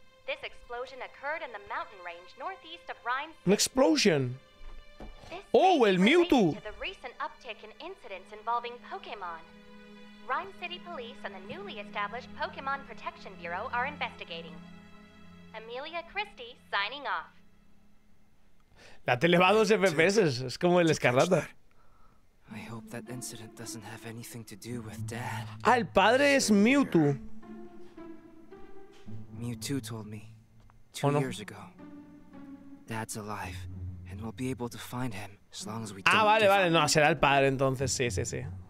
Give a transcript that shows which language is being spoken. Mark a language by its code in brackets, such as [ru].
[en] This explosion occurred in the mountain range northeast of Rhyme. An explosion. [es] Oh, el Mewtwo. [en] To the recent uptick in incidents involving Pokémon. Rhyme City Police and the newly established Pokémon Protection Bureau are investigating. Amelia Christie signing off. [es] La tele va a 2 FPS, es como el Escarlata. [en] I hope that incident doesn't have anything to do with Dad. [es] Ah, el padre es Mewtwo. [en] Mewtwo told me 2 years ago. Dad's alive and we'll be able to find him as long as we don't. [es] Ah, vale, vale, no, será el padre entonces, sí, sí, sí.